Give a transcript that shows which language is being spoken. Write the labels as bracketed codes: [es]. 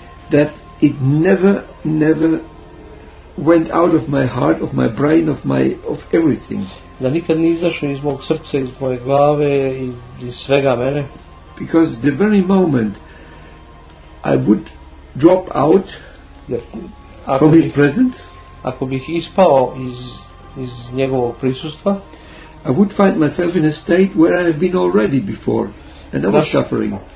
[en] that it never went out of my heart, of my brain, of everything. [sr] Da nikad nije izašao iz mog srca, iz moje glave i iz svega mene. [en] Because the very moment I would drop out from his presence, [sr] ako bih ispao iz njegovog prisustva, [en] I would find myself in a state where I have been already before, and I was suffering.